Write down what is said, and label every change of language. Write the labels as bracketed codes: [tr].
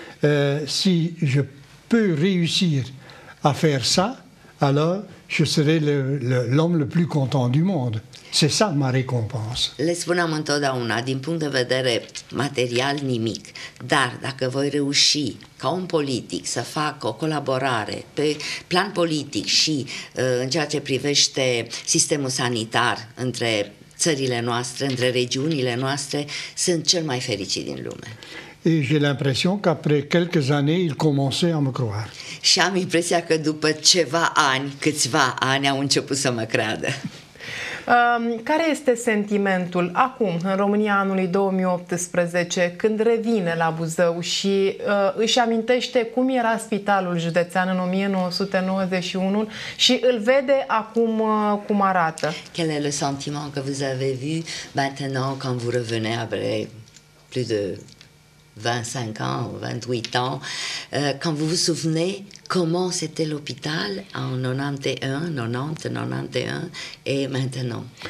[fr] Si je peux réussir à faire ça, alors je serai l'homme le plus content du monde. C'est ça ma récompense. [ro] Le spuneam întotdeauna, din punct de vedere material, nimic. Dar dacă voi reuși ca un politic să facă o colaborare pe plan politic și în ceea ce privește sistemul sanitar între țările noastre, între regiunile noastre, sunt cel mai fericit din lume. [fr] Et j'ai l'impression qu'après quelques années, il commençait à me croire. [ro] Și am impresia că după ceva ani, câțiva ani, au început să mă creadă. Care este sentimentul acum, în România anului 2018, când revine la Buzău și își amintește cum era spitalul județean în 1991 și îl vede acum cum arată? [fr] Quel est le sentiment que vous avez vu maintenant quand vous revenez après plus de 25 ans, 28 ans, quand vous vous souvenez comment c'était l'hôpital en 91 et maintenant?